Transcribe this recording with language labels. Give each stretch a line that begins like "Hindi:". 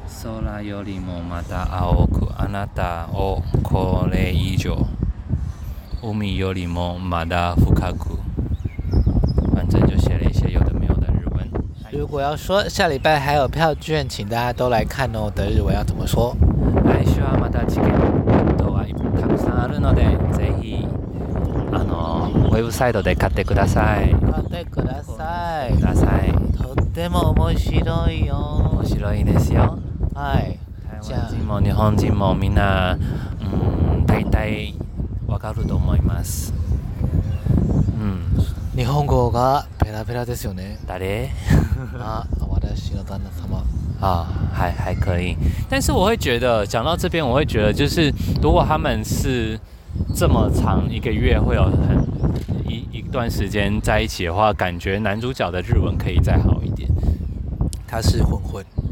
Japanese: 空よりもまた青くあなたをこれ以上。海よりもまだ深く。
Chinese: 反正就写了一些有的没有的日文。如果要说下礼拜还有票券，请大家都来看哦。的日文要怎么说？
Japanese: 来週はまたチケットはたくさんあるので、ぜひ。ウェブサイトで買ってください。買ってください。ください。とっても面白いよ。面白いですよ。はい。台湾人も日本人もみんな、大体わかると思います。日本語がペラペラですよね。誰？
Chinese: あ、的新的段子什么啊，还可以。但是我会觉得讲到这边，我会觉得就是如果他们是这么长一个月会有很一段时间在一起的话，感觉男主角的日文可以再好一点。他是混混